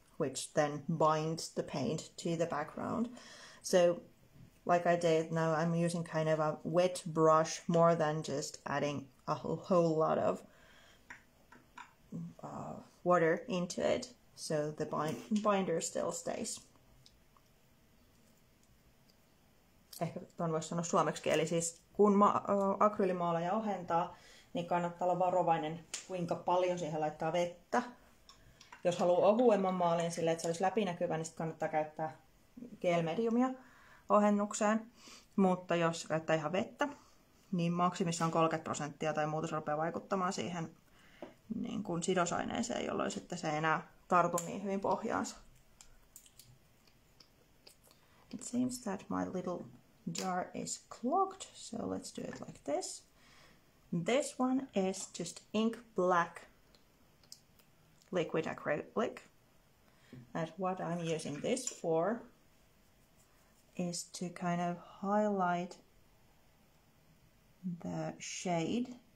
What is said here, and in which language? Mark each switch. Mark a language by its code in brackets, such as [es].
[en] which then binds the paint to the background. So like I did, now I'm using kind of a wet brush more than just adding a whole lot of water into it, so the binder still stays. [fi] Ehkä tuon voisi sanoa suomeksi, eli siis kun akryylimaalaja ohentaa, niin kannattaa olla varovainen, kuinka paljon siihen laittaa vettä. Jos haluaa ohuemman maalin sille, että se olisi läpinäkyvä, niin sitten kannattaa käyttää gel-mediumia ohennukseen. Mutta jos käyttää ihan vettä, niin maksimissaan 30% tai muutos rupeaa vaikuttamaan siihen niin kuin sidosaineeseen, jolloin sitten se ei enää tartu niin hyvin pohjaansa. [en] It seems that my little jar is clogged, so let's do it like this. This one is just ink black liquid acrylic. And what I'm using this for is to kind of highlight the shade.